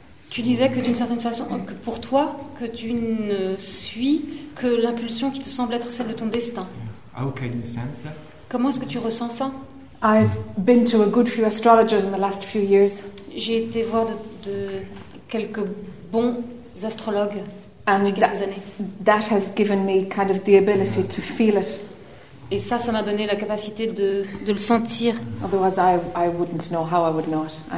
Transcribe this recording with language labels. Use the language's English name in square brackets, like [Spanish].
[French] Tu disais que d'une certaine façon, que pour toi, que tu ne suis que l'impulsion qui te semble être celle de ton destin. [English] How can you sense that? [French] Comment est-ce que tu ressens ça? [English] I've been to a good few astrologers in the last few years. [French] J'ai été voir de quelques bons astrologues depuis quelques années. [English] That has given me kind of the ability to feel it. [French] Et ça m'a donné la capacité de le sentir. [English] Otherwise, I wouldn't know how I would know it.